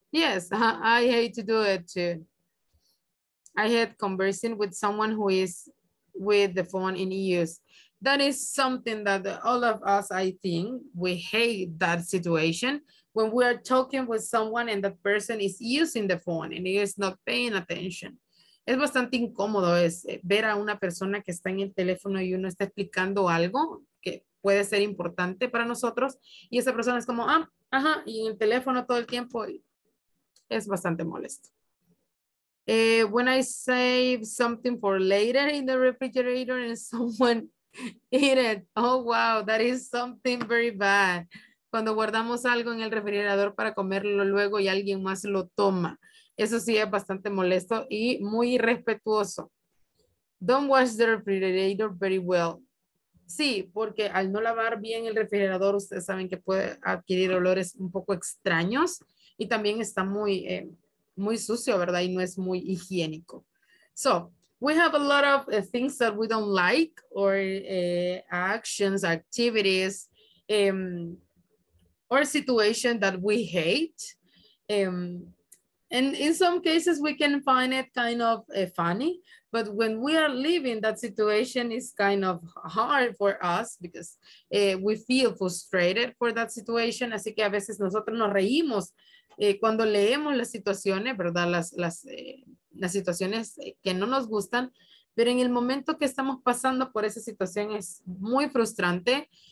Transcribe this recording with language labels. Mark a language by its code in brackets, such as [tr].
[en] Yes, I hate to do it too. I hate conversing with someone who is with the phone in use. That is something that all of us, I think, we hate that situation when we are talking with someone and that person is using the phone and he is not paying attention. [es] Es bastante incómodo es ver a una persona que está en el teléfono y uno está explicando algo que puede ser importante para nosotros y esa persona es como, y en el teléfono todo el tiempo. Es bastante molesto. [en] When I save something for later in the refrigerator and someone eat it. Oh, wow, that is something very bad. [es] Cuando guardamos algo en el refrigerador para comerlo luego y alguien más lo toma. Eso sí es bastante molesto y muy irrespetuoso. [en] Don't wash the refrigerator very well. [es] Sí, porque al no lavar bien el refrigerador, ustedes saben que puede adquirir olores un poco extraños y también está muy, muy sucio, ¿verdad? Y no es muy higiénico. [en] So, we have a lot of things that we don't like or actions, activities, or situation that we hate. And in some cases we can find it kind of funny, but when we are living that situation is kind of hard for us because we feel frustrated for that situation. [es] Así que a veces nosotros nos reímos cuando leemos las situaciones, ¿verdad? Las situaciones que no nos gustan, pero en el momento que estamos pasando por esa situación es muy frustrante.